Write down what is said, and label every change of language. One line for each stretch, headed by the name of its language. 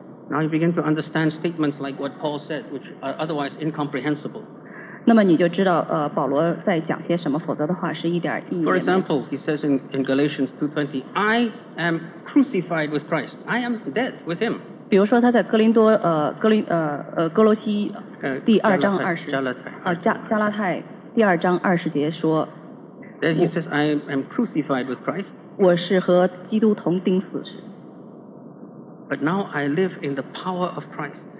English: Now you begin to understand statements like what Paul said, which are otherwise incomprehensible.
Chinese: 那么你就知道，保罗在讲些什么，否则的话是一点意义也没有。
English: For example, he says in Galatians 2:20, I am crucified with Christ. I am dead with him.
Chinese: 比如说他在哥林多，哥罗西第二章二十，加拉太第二章二十节说。
English: Then he says, I am crucified with Christ.
Chinese: 我是和基督同钉死。
English: But now I live in the power of Christ.